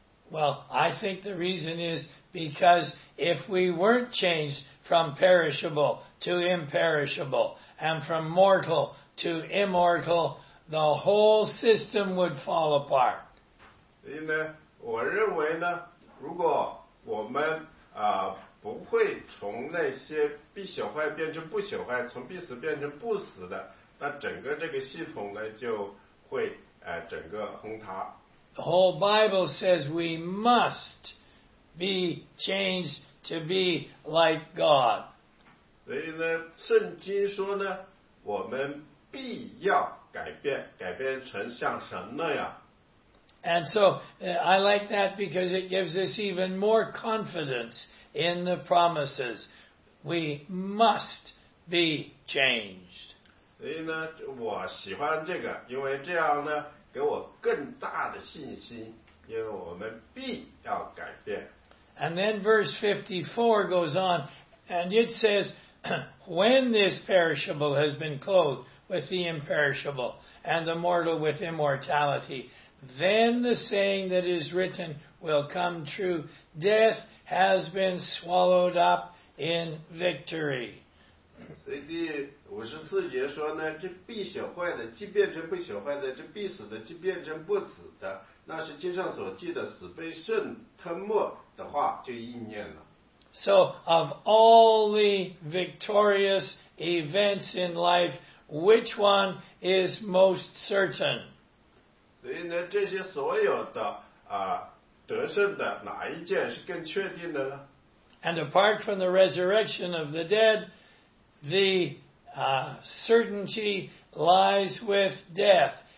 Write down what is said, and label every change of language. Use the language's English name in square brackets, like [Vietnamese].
[English] Well, I think the reason is because if we weren't changed from perishable to imperishable and from mortal to immortal, the whole system would fall apart. [Chinese] 所以呢，我认为呢，如果我们不会从那些必朽坏变成不朽坏，从必死变成不死的，那整个这个系统呢就会整个崩塌。 [English] The whole Bible says we must be changed to be like God. [Chinese] 所以呢，圣经说呢，我们必要改变，改变成像神那样。 [English] And so, I like that because it gives us even more confidence in the promises. We must be changed. [Chinese] 所以呢，我喜欢这个，因为这样呢，给我更大的信心，因为我们必要改变。 [English] And then verse 54 goes on, and it says, when this perishable has been clothed with the imperishable, and the mortal with immortality, then the saying that is written will come true. Death has been swallowed up in victory. [Chinese] 所以第五十四节说呢，这必朽坏的既变成不朽坏的，这必死的既变成不死的，那是经上所记的死被圣吞没的话就应验了。 [English] So of all the victorious events in life, which one is most certain? [Chinese] 所以呢，这些所有的得胜的哪一件是更确定的呢？ [English] And apart from the resurrection of the dead, the certainty lies with death.